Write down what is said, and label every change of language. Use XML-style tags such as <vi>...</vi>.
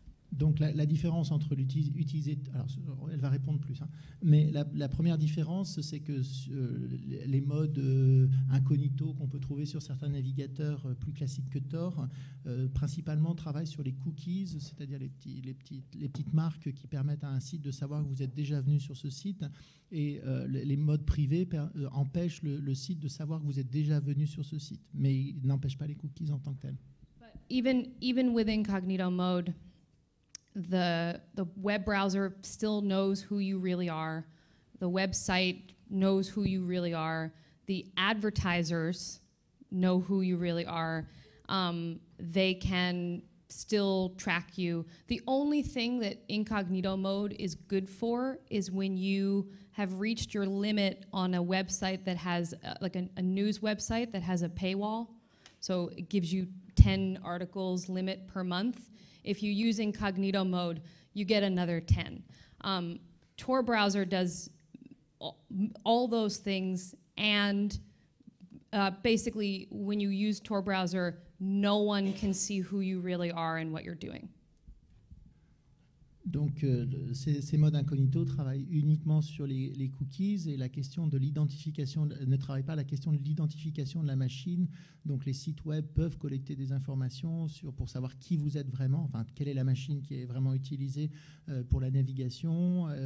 <fr>Donc la différence entre l'utiliser, alors elle va répondre plus, hein, mais la première différence, c'est que les modes incognito qu'on peut trouver sur certains navigateurs plus classiques que Tor, principalement travaillent sur les cookies, c'est-à-dire les petites marques qui permettent à un site de savoir que vous êtes déjà venu sur ce site, et les modes privés empêchent le site de savoir que vous êtes déjà venu sur ce site, mais ils n'empêchent pas les cookies en tant que tels.</fr> <en>Even with incognito mode, the web browser still knows who you really are. The website knows who you really are. The advertisers know who you really are. They can still track you. The only thing that incognito mode is good for is when you have reached your limit on a website that has a news website that has a paywall. So it gives you 10 articles limit per month. If you use incognito mode, you get another 10. Tor browser does all those things, and basically, when you use Tor browser, no one can see who you really are and what you're doing.</en> <fr>Donc, ces modes incognito travaillent uniquement sur les cookies et la question de l'identification ne travaille pas la question de l'identification de la machine. Donc, les sites web peuvent collecter des informations pour savoir qui vous êtes vraiment, enfin, quelle est la machine qui est vraiment utilisée pour la navigation.</fr>